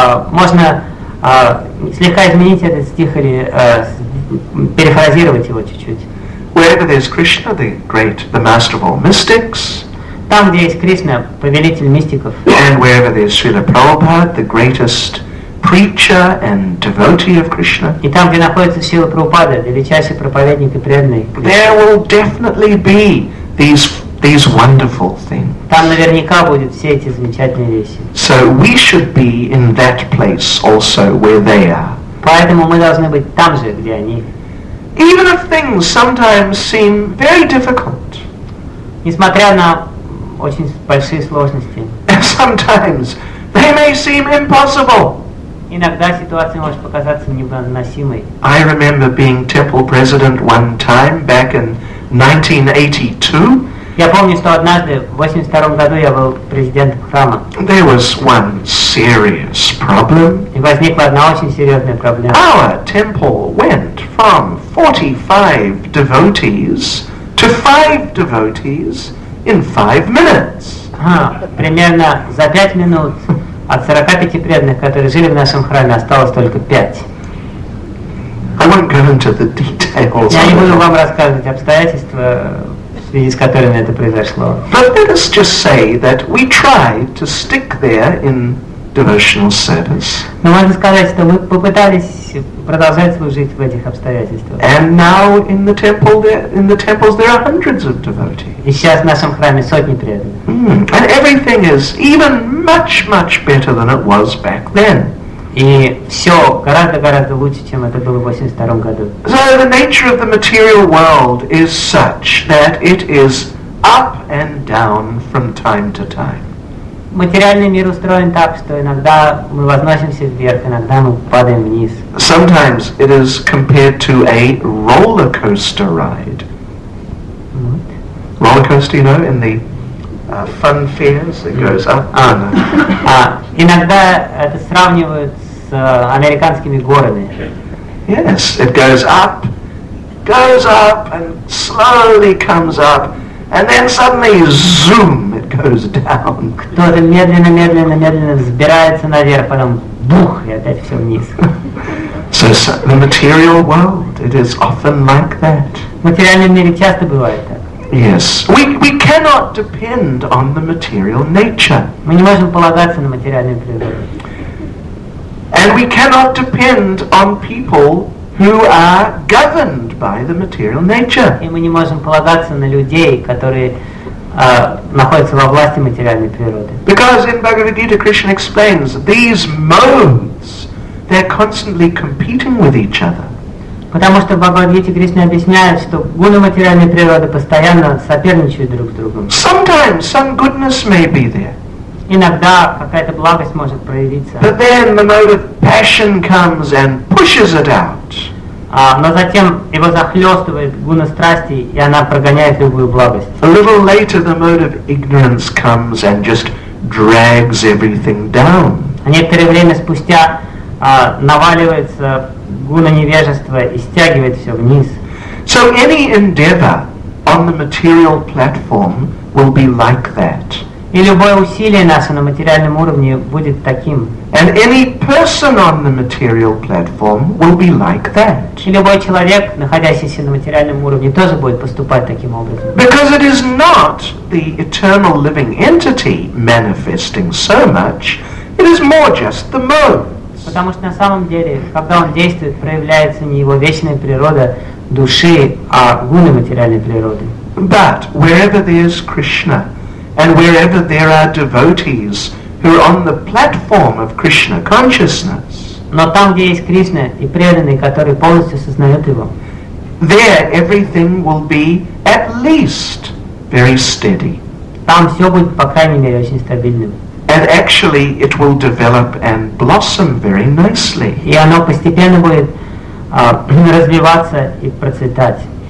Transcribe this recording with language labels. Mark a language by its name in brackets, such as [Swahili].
[Russian] Можно слегка изменить этот стих или перефразировать его чуть-чуть. [English] Wherever there's Krishna, the great, the master of all mystics. [Russian] Там, где есть Кришна, повелитель мистиков. [English] And wherever there's Srila Prabhupada, the greatest preacher and devotee of Krishna. [Russian] И там, где находится Шрила Прабхупада, величайший проповедник и преданный. [English] There will definitely be these wonderful things. [Russian] Там наверняка будут все эти замечательные вещи. [English] So we should be in that place also where they are. [Russian] Поэтому мы должны быть там же, где они. [English] Even if things sometimes seem very difficult. [Russian] Несмотря на очень большие сложности. [English] Sometimes they may seem impossible. [Russian] Иногда ситуация может показаться невыносимой. [English] I remember being temple president one time back in 1982. [Russian] Я помню, что однажды в 82 году я был президентом храма. [English] There was one serious problem. [Russian] И возникла одна очень серьезная проблема. [English] Our temple went from 45 devotees to 5 devotees in 5 minutes. [Russian] Примерно за 5 минут от 45 преданных, которые жили в нашем храме, осталось только 5. [English] I won't go into the details. [Russian] Я не буду вам рассказывать обстоятельства, в связи с которыми это произошло. [English] But let us just say that we tried to stick there in devotional service. [Russian] Но можно сказать, что мы попытались продолжать служить в этих обстоятельствах. [English] And now in the temple, there are hundreds of devotees. [Russian] И сейчас в нашем храме сотни преданных. [English] And everything is even much better than it was back then. [Russian] И все гораздо лучше, чем это было в 82 году. [English] So the nature of the material world is such that it is up and down from time to time. [Russian] Материальный мир устроен так, что иногда мы возносимся вверх, иногда мы падаем вниз. [English] Sometimes it is compared to a roller coaster ride. Mm-hmm. Roller coaster, you know, in the fun fairs, it goes up. [Russian] Иногда это сравнивают с американскими горами. [English] Yes, it goes up, and slowly comes up. And then suddenly, zoom, it goes down. [Russian] Кто-то медленно взбирается наверх, потом бух, и опять все вниз. [English] So the material world, it is often like that. [Russian] В материальном мире часто бывает так. [English] Yes, we cannot depend on the material nature. [Russian] Мы не можем полагаться на материальную природу. [English] And we cannot depend on people who are governed by the material nature. [Russian] И мы не можем полагаться на людей, которые находятся во власти материальной природы. [English] Because in Bhagavad Gita, Krishna explains these modes, they're constantly competing with each other. [Russian] Потому что в Бхагавад Гите Кришна объясняет, что гуны материальной природы постоянно соперничают друг с другом. [English] Sometimes some goodness may be there. [Russian] Иногда какая-то благость может проявиться. [English] But then the mode of passion comes and pushes it out. [Russian] Но затем его захлестывает гуна страсти, и она прогоняет любую благость. [English] A little later the mode of ignorance comes and just drags everything down. [Russian] А некоторое время спустя наваливается гуна невежества и стягивает все вниз. [English] So any endeavor on the material platform will be like that. [Russian] И любое усилие наше на материальном уровне будет таким. [English] And any person on the material platform will be like that. [Russian] И любой человек, находящийся на материальном уровне, тоже будет поступать таким образом. [English] Because it is not the eternal living entity manifesting so much, it is more just the modes. [Russian] Потому что на самом деле, когда он действует, проявляется не его вечная природа души, а гуны материальной природы. [English] But wherever there is Krishna, and wherever there are devotees who are on the platform of Krishna consciousness, [Russian] но там, где есть Кришна и преданные, которые полностью сознают его, [English] there everything will be at least very steady. [Russian] Там все будет, по крайней мере, очень стабильным. [English] And actually it will develop and blossom very nicely. [Russian] И оно постепенно будет развиваться и процветать.